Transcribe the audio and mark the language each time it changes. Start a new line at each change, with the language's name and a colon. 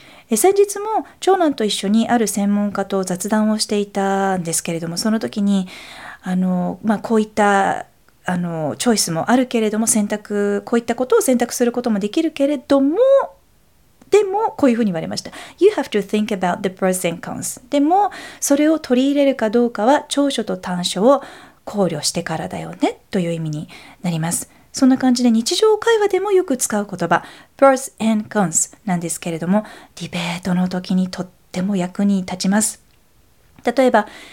Japanese: 先日も長男と一緒にある専門家と雑談をしていたんですけれども、その時に、こういった、チョイスもあるけれども、選択、こういったことを選択することもできるけれども、でも、こういうふうに言われました。
English: You have to think about the pros and cons.
Japanese: でも、それを取り入れるかどうかは、長所と短所を考慮してからだよね、という意味になります。そんな感じで日常会話でもよく使う言葉 pros and cons なんですけれども、ディベートの時にとっても役に立ちます。例えば、